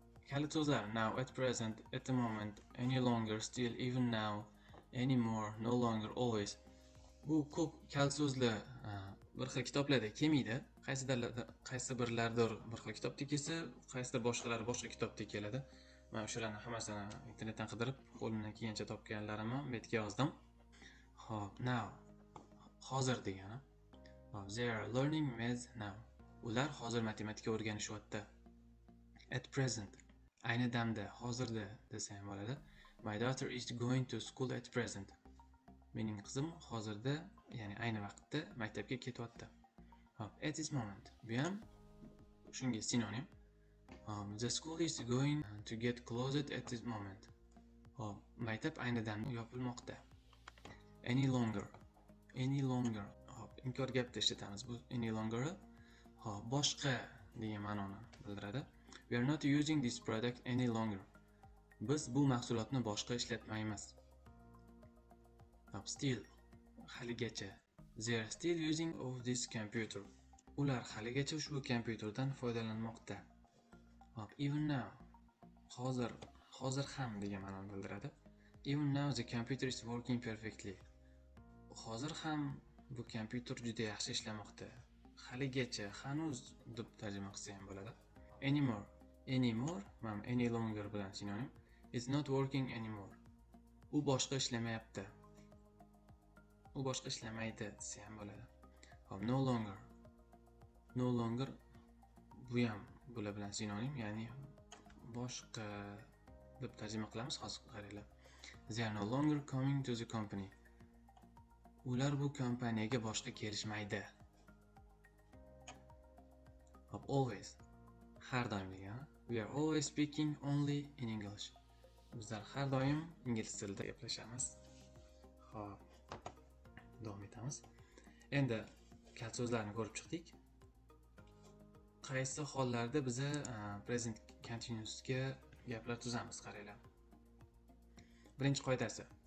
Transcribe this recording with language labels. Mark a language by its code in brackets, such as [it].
[uz] Kalit so'zlar: now, at present, at the moment, any longer, still, even now, anymore, no longer, always. Bu ko'p kalit so'zlar bir xil kitoblarda kelmaydi. Qaysidirlarda, qaysi birlardir bir xil kitobda kelsa, qaysidir boshqalar boshqa kitobda keladi. Men o'shalarni hammasini internetdan qidirib, qo'limdan kelgancha topganlarimni bu yerga yozdim. Xo'p, now. Hozir degani. [en] Xo'p, they are learning math now. [uz] Ular hozir matematika o'rganishyapti. [en] At present. [uz] Ayni damda, hozirda desa ham bo'ladi. [en] My daughter is going to school at present. [uz] Mening qizim hozirda, ya'ni ayni vaqtda maktabga ketyapti. Xo'p, [en] at this moment. [uz] Bu ham shunga sinonim. [en] The school is going to get closed at this moment. [uz] Xo'p, maktab ayni damda yopilmoqda. [en] Any longer. Any longer. [uz] Xo'p, inkor gapda ishlatamiz bu any longer. Xo'p, boshqa degan ma'noni bildiradi. [en] We are not using this product any longer. [uz] Biz bu mahsulotni boshqa ishlatmaymiz. Still, haligacha. [en] They are still using of this computer. [uz] Ular haligacha ushbu kompyuterdan foydalanmoqda. [en] Hop, even now. [uz] Hozir, hozir ham degan ma'noni bildiradi. [en] Even now the computer is working perfectly. [uz] Hozir ham bu kompyuter juda yaxshi ishlamoqda. Haligacha, hanuz deb tarjima qilsa ham bo'ladi. Anymore. Anymore, ma'am, any longer bilan sinonim. [en] It's not working anymore. [uz] U boshqa ishlamayapti. U boshqa ishlamaydi desa ham bo'ladi. Xo'p, no longer. No longer bu ham bular bilan sinonim, ya'ni boshqa deb tarjima qilamiz hozir qaranglar. [en] They are no longer coming to the company. [uz] Ular bu kompaniyaga boshqa kelishmaydi. Xo'p, always. Har doim degan. [en] We are always speaking only in English. [uz] Bizlar har doim ingliz tilida gaplashamiz. Xo'p. Davom etamiz. Endi kalit so'zlarni ko'rib chiqdik. Qaysi hollarda biz present continuousga gaplar tuzamiz, qaranglar. Birinchi qoidasi.